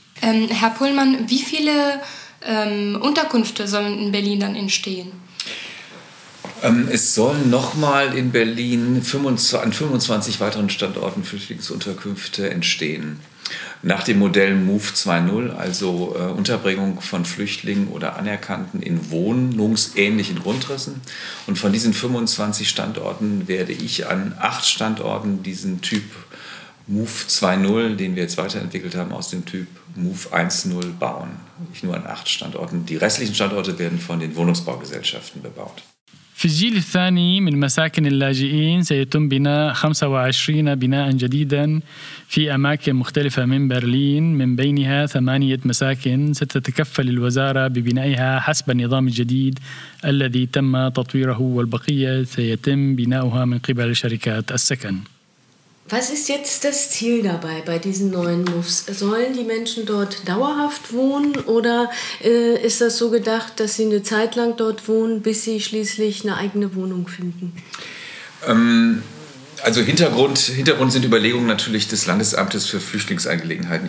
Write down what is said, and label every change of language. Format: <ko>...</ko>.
<de>Herr Pullmann, wie viele Unterkünfte sollen in Berlin dann entstehen? Es sollen nochmal in Berlin an 25 weiteren Standorten Flüchtlingsunterkünfte entstehen. Nach dem Modell MOVE 2.0, also Unterbringung von Flüchtlingen oder Anerkannten in wohnungsähnlichen Grundrissen. Und von diesen 25 Standorten werde ich an 8 Standorten diesen Typ MOVE 2.0, den wir jetzt weiterentwickelt haben, aus dem Typ MOVE 1.0 bauen. Nicht nur an 8 Standorten. Die restlichen Standorte werden von den Wohnungsbaugesellschaften bebaut.</de> <ar>في الجيل الثاني من مساكن اللاجئين سيتم بناء 25 بناء جديدا في أماكن مختلفة من برلين من بينها 8 مساكن ستتكفل الوزارة ببنائها حسب النظام الجديد الذي تم تطويره والبقية سيتم بناؤها من قبل شركات السكن.</ar> <de>Was ist jetzt das Ziel dabei bei diesen neuen MOVs? Sollen die Menschen dort dauerhaft wohnen oder ist das so gedacht, dass sie eine Zeit lang dort wohnen, bis sie schließlich eine eigene Wohnung finden? Also Hintergrund sind Überlegungen natürlich des Landesamtes für Flüchtlingsangelegenheiten.</de>